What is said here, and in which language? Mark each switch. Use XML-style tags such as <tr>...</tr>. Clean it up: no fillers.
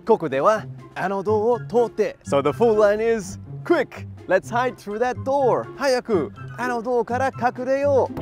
<ja>ここではあの道を通って。</ja> <en>So the full line is Quick, let's hide through that door.</en> <ja>早くあの道から隠れよう。</ja>